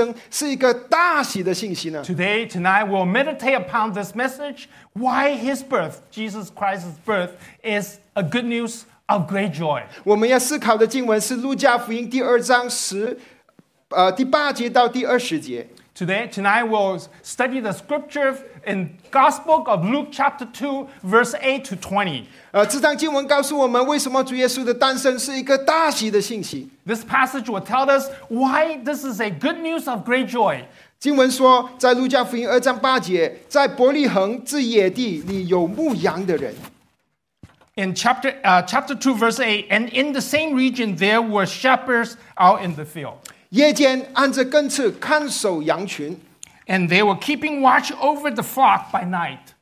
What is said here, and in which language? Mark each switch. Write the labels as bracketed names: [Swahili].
[Chinese] 这个就是今天我们要去思考的问题，为什么主耶稣基督的诞生是一个大喜的信息呢? [English] Tonight we'll meditate upon this message, why his birth, Jesus Christ's birth, is a good news of great joy. [Chinese] 我们要思考的经文是路加福音第二章第八节到第二十节。 [English] Tonight we'll study the scripture in Gospel of Luke chapter 2, verse 8 to 20. [Chinese] 这段经文告诉我们为什么主耶稣的诞生是一个大喜的信息。 [English] This passage will tell us why this is a good news of great joy. [Chinese] 经文说，在路加福音二章八节，在伯利恒自野地里有牧羊的人。 [English] In chapter 2, verse 8, and in the same region there were shepherds out in the field. [Chinese] 夜间按着根刺看守羊群。 [English] And they were keeping watch over the flock by night.